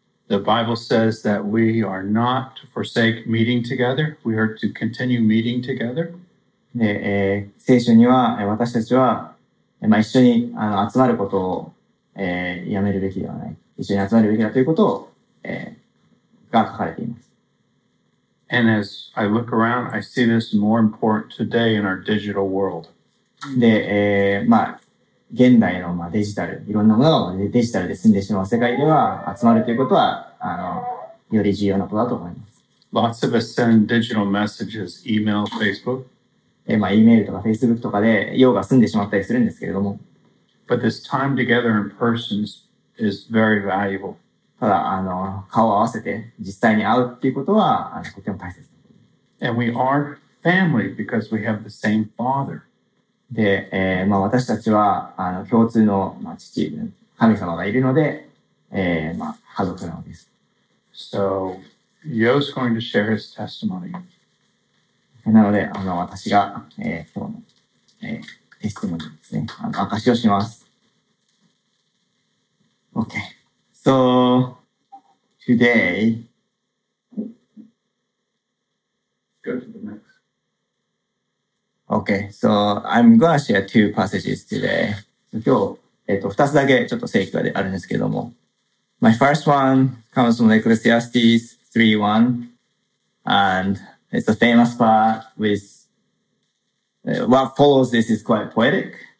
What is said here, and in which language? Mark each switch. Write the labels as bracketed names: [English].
[English] The Bible says that we are not to forsake meeting together. We are to continue meeting together. [Japanese] で、聖書には、私たちは、一緒に集まることを、やめるべきではない。一緒に集まるべきだということを、が書かれています。 [English] And as I look around, I see this more important today in our digital world. [Japanese] で、現代の、デジタル、いろんなものがデジタルで住んでしまう世界では、集まるということは、より重要なことだと思います。 [English] Lots of us send digital messages, email, Facebook. [Japanese] E メールとか Facebook とかで用が済んでしまったりするんですけれども。 [English] But this time together in person is very valuable. [Japanese] ただ、顔を合わせて実際に会うっていうことは、とても大切です。 [English] And we are family because we have the same father. [Japanese] で、私たちは、共通の、父、神様がいるので、家族なのです。 [English] So, Yo's going to share his testimony. [Japanese] なので、私が、今日の、テストもですね、証しをします。 [English] Okay. So, today. Go to the next. Okay. So, I'm gonna share two passages today. [Japanese] 今日、二つだけちょっと聖句があるんですけども。 [English] My first one comes from Ecclesiastes 3:1. And,It's a famous part with, what follows this is quite poetic.